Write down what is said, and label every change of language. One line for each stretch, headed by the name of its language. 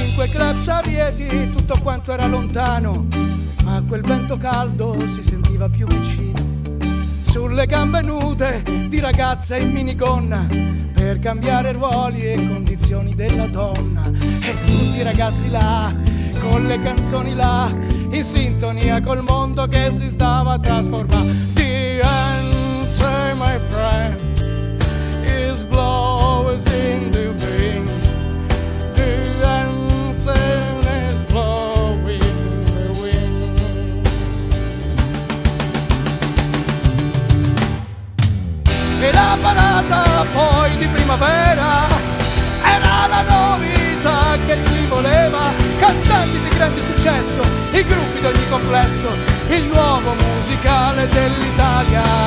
Italian: In quei club a Rieti tutto quanto era lontano, ma quel vento caldo si sentiva più vicino. Sulle gambe nude di ragazze in minigonna per cambiare ruoli e condizioni della donna. E tutti i ragazzi là, con le canzoni là, in sintonia col mondo che si stava a trasformare.
English: The answer, my friend, is blowing in the wind. The answer is blowing in the wind.
Italian: E la parata poi di primavera era la novità che ci voleva. Cantanti di grande successo, i gruppi di ogni complesso, il nuovo musicale dell'Italia.